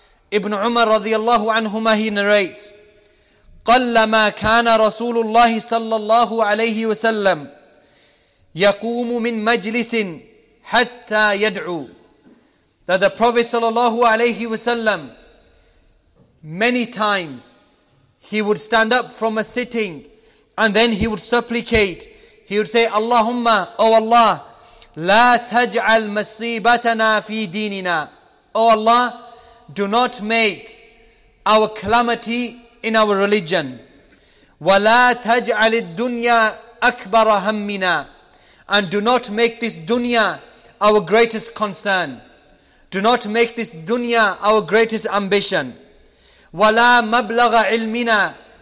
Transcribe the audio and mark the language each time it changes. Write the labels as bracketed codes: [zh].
[ar] Ibn Umar radiyallahu anhuma, [en] he narrates, [ar] قَلَّمَا كَانَ رَسُولُ اللَّهِ صَلَّى اللَّهُ عَلَيْهِ وَسَلَّمْ يَقُومُ مِنْ مَجْلِسٍ حَتَّى يَدْعُوا. [en] That the Prophet sallallahu alayhi wasallam, many times he would stand up from a sitting and then he would supplicate. He would say, [ar] اللهم, [en] O Allah, [ar] لَا تَجْعَلْ مَصِيبَتَنَا فِي دِينِنَا. [en] O Allah, do not make our calamity in our religion. [ar] وَلَا تَجْعَلِ الدُّنْيَا أكبر همنا. [en] And do not make this dunya our greatest concern. Do not make this dunya our greatest ambition. [ar] وَلَا مَبْلَغَ عِلْمِنَا.